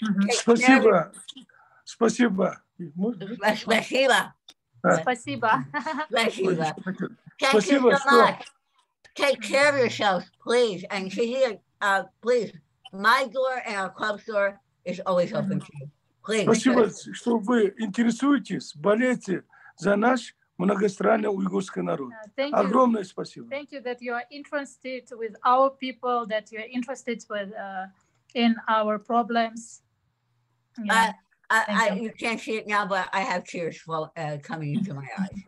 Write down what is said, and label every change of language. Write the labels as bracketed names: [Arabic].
[Russian] Спасибо. Спасибо. Спасибо. Спасибо. Спасибо. [English] Thank you so much. Take care of yourselves, please. And Shahida, please, my door and our club's door is always open to you. [Russian] Спасибо, что вы интересуетесь, болеете за наш многострадальный уйгурский народ. Огромное спасибо. [English] Thank you that you are interested with our people, that you are interested with in our problems. Yeah. You can't see it now, but I have tears coming into my eyes.